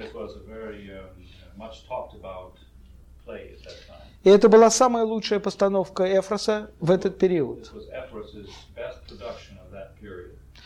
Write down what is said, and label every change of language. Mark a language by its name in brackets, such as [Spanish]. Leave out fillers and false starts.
[English] It was a very, much talked about play at that time. [Russian] И это была самая лучшая постановка Эфроса в этот период. [English] This was Эфрос's best production of that period.